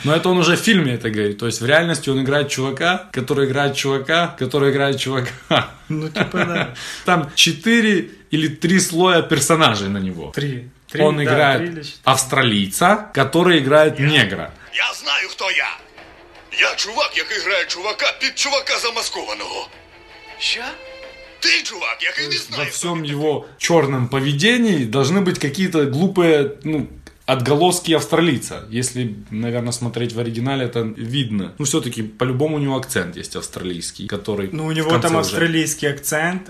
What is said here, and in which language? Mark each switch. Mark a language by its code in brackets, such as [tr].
[ru] Но это он уже в фильме это говорит. То есть в реальности он играет чувака, который играет чувака, который играет чувака. Ну, типа, да. Там 4 или 3 слоя персонажей на него. 3. Он играет австралийца, который играет негра. Я знаю, кто я. [uk] Я чувак, який грає чувака під чувака замаскованого. Що? [ru] Ты чувак, я не знаю. Во всем его черном поведении должны быть какие-то глупые, ну, отголоски австралийца. Если, наверное, смотреть в оригинале, это видно. Ну, все-таки, по-любому у него акцент есть австралийский, который... Ну, у него там уже... австралийский акцент.